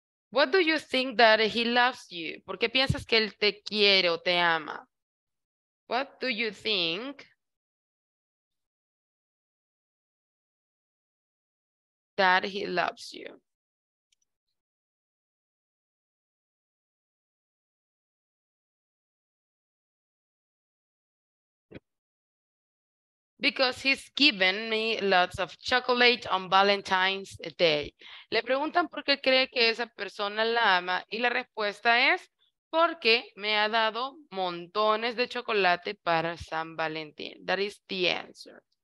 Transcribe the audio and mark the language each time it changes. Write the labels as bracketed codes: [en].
[en] What do you think that he loves you? [es] ¿Por qué piensas que él te quiere o te ama? [en] What do you think that he loves you? Because he's given me lots of chocolate on Valentine's Day. [es] Le preguntan por qué cree que esa persona la ama y la respuesta es porque me ha dado montones de chocolate para San Valentín. [en] That is the answer.